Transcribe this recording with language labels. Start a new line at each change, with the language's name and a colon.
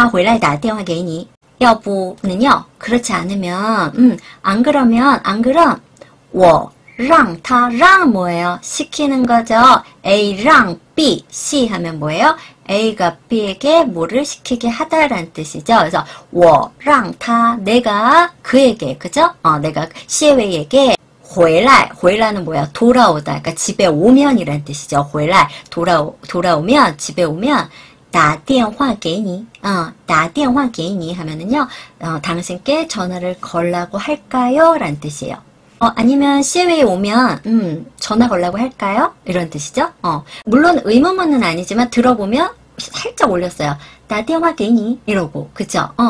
Chinese: 要不我让他回来打电话给你？要不能要？
Korean: 그렇지 않으면, 안 그러면,
Chinese: 我让他让
Korean: 뭐예요? 시키는 거죠. A랑 B, C 하면 뭐예요? A가 B에게 뭐를 시키게 하다라는 뜻이죠. 그래서
Chinese: 我让他,
Korean: 내가 그에게, 그죠? 내가 CA에게
Chinese: 回来
Korean: 는 뭐야? 돌아오다. 그러니까 집에 오면이란 뜻이죠.
Chinese: 回来,
Korean: 돌아오면, 집에 오면
Chinese: 打电话给你
Korean: 하면은요, 당신께 전화를 걸라고 할까요? 라는 뜻이에요. 아니면 CA에 오면 전화 걸라고 할까요? 이런 뜻이죠. 물론 의문문은 아니지만 들어보면 살짝 올렸어요.
Chinese: 打电话给你
Korean: 이러고, 그죠?